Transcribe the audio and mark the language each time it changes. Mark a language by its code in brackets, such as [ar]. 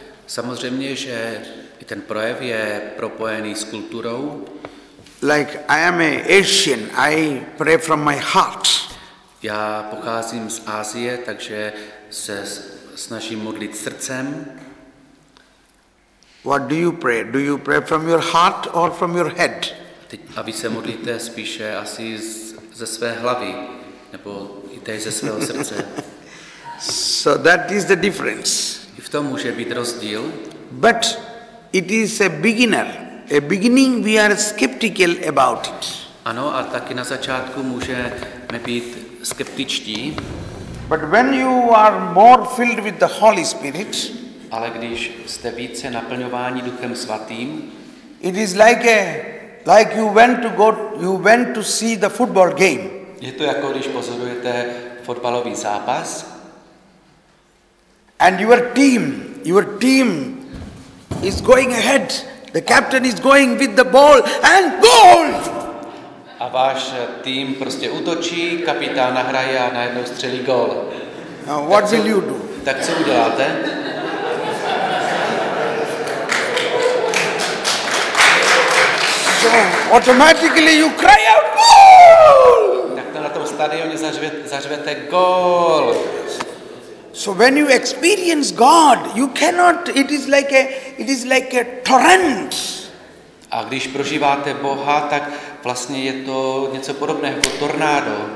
[cs] Samozřejmě, že i ten projev je propojený s kulturou. [en] Like I am an Asian, I pray from my heart. [cs] Já pocházím z Asie, takže se snažím modlit srdcem. [en] What do you pray? Do you pray from your heart or from your head? [cs] A vy se modlíte spíše asi ze své hlavy, nebo i tady ze svého srdce. [en] So that is the difference. [cs] I v tom může být rozdíl. [en] But it is a beginner. A beginning we are skeptical about it. [cs] Ano, a taky na začátku můžeme být skeptičtí. [en] But when you are more filled with the Holy Spirit, [cs] ale když jste více naplňováni Duchem svatým, [en] it is like you went to go, you went to see the football game. [cs] Je to jako když pozorujete fotbalový zápas. [en] And your team is going ahead. The captain is going with the ball and goal. [cs] A váš tým prostě útočí, kapitán nahraje a najednou střelí gól. [en] Now what will you do? [cs] Tak co uděláte? [en] Automatically you cry out goal. [cs] Tak to na tom stadioně zařvete gól. [en] So when you experience God, you cannot, it is like a torrent. [cs] A když prožíváte Boha, tak vlastně je to něco podobné jako tornádo.